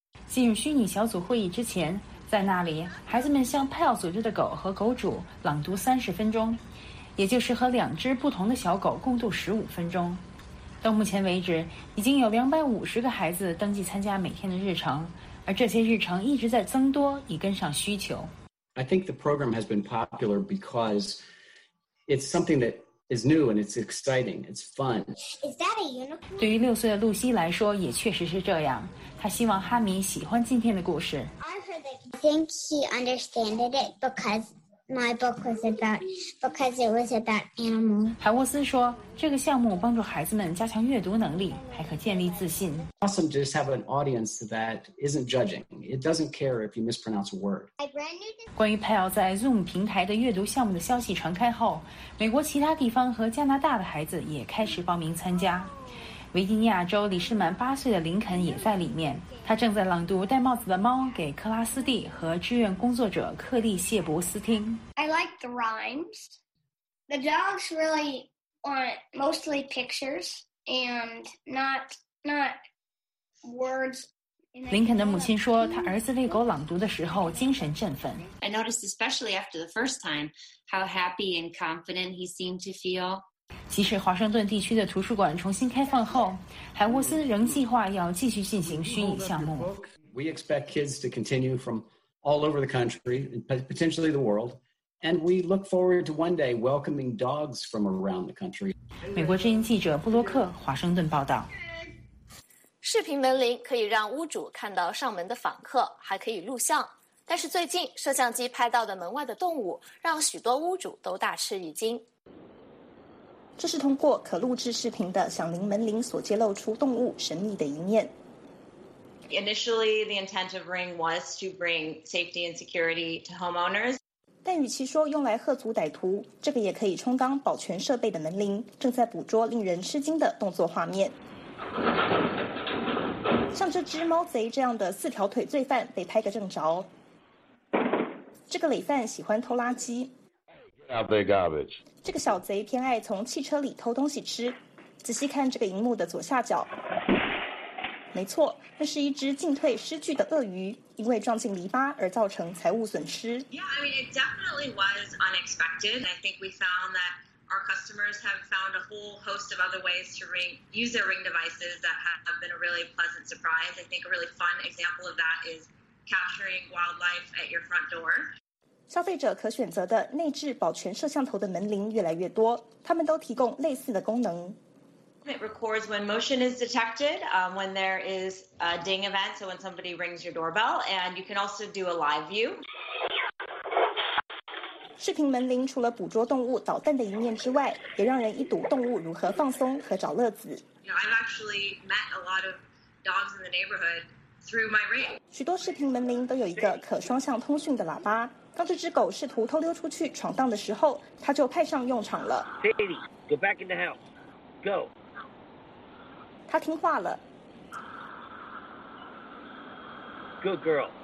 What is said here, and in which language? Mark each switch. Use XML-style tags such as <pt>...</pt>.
<zh>进入虚拟小组会议之前，在那里孩子们向 PAL 组织的狗和狗主朗读30分钟，也就是和两只不同的小狗共度15分钟。到目前为止，已经有250个孩子登记参加每天的日程。而这些日程一直在增多，以跟上需求。</zh> <en>I think the program has been popular because it's something that is new and it's exciting. It's fun. Is that a unicorn?</en> <zh>对于6岁的露西来说，也确实是这样。她希望哈米喜欢今天的故事。</zh> <en>I think he understood it because my book was about animals.</en> <zh>海沃森说，这个项目帮助孩子们加强阅读能力，还可建立自信。</zh> <en>Awesome to just have an audience that isn't judging. It doesn't care if you mispronounce a word.</en> <zh>关于 PAL 在 Zoom 平台的阅读项目的消息传开后，美国其他地方和加拿大的孩子也开始报名参加。维吉尼亚州里士满8岁的林肯也在里面，他正在朗读《戴帽子的猫》给克拉斯蒂和志愿工作者克利谢伯斯听。</zh> <en>I like the rhymes. The dogs really want mostly pictures and not words.</en> <zh>林肯的母亲说，他儿子为狗朗读的时候精神振奋。</zh> <en>I noticed especially after the first time how happy and confident he seemed to feel.</en> <zh>即使华盛顿地区的图书馆重新开放后，海沃森仍计划要继续进行虚拟项目。</zh> <en>We expect kids to continue from all over the country, potentially the world, and we look forward to one day welcoming dogs from around the country.</en> <zh>美国之音记者布洛克，华盛顿报道。视频门铃可以让屋主看到上门的访客，还可以录像。但是最近摄像机拍到的门外的动物，让许多屋主都大吃一惊。这是通过可录制视频的响铃门铃所揭露出动物神秘的一面。</zh> <en>Initially, the intent of Ring was to bring safety and security to homeowners.</en> <zh>但与其说用来吓阻歹徒，这个也可以充当保全设备的门铃，正在捕捉令人吃惊的动作画面。像这只猫贼这样的四条腿罪犯被拍个正着。这个累犯喜欢偷垃圾。</zh> <en>Out the garbage.</en> <zh>这个小贼偏爱从汽车里偷东西吃。仔细看这个荧幕的左下角，没错，那是一只进退失据的鳄鱼，因为撞进篱笆而造成财务损失。</zh> <en>Yeah, I mean, it definitely was unexpected. I think we found that our customers have found a whole host of other ways to use their Ring devices that have been a really pleasant surprise. I think a really fun example of that is capturing wildlife at your front door.</en> <zh>消费者可选择的内置保全摄像头的门铃越来越多，他们都提供类似的功能。</zh> <en>It records when motion is detected, when there is a ding event, so when somebody rings your doorbell, and you can also do a live view.</en> <zh>视频门铃除了捕捉动物捣蛋的一面之外，也让人一睹动物如何放松和找乐子。</zh> <en>You know, I've actually met a lot of dogs in the neighborhood through my ring.</en> <zh>许多视频门铃都有一个可双向通讯的喇叭。当这只狗试图偷溜出去闯荡的时候，它就派上用场了。</zh> <en>Sadie, go back in the house. Go.</en> <zh>它听话了。</zh> <en>Good girl.</en>